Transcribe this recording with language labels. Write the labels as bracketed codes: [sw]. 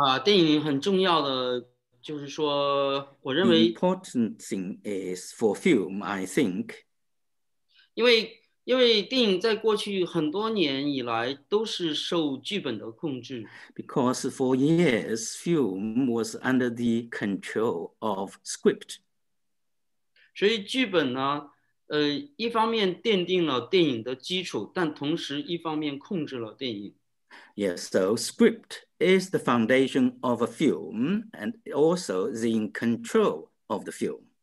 [zh] 您刚才讲的是一种没有控制的一种，你好像在刚才在介绍的时候说呢，是讲到这个就没有控制的这种，不是故意的去控制这个写作，这个故事，能不能请你讲讲这方面你是怎么想的？对于电影来讲呢，我觉得电影很重要的。就是说，我认为 [en] important thing is for film, I think. [zh] 因为电影在过去很多年以来都是受剧本的控制。 [en] Because for years, film was under the control of script. [zh] 所以剧本呢，一方面奠定了电影的基础，但同时一方面控制了电影。 [en] Yes, so script is the foundation of a film and also is in control of the film.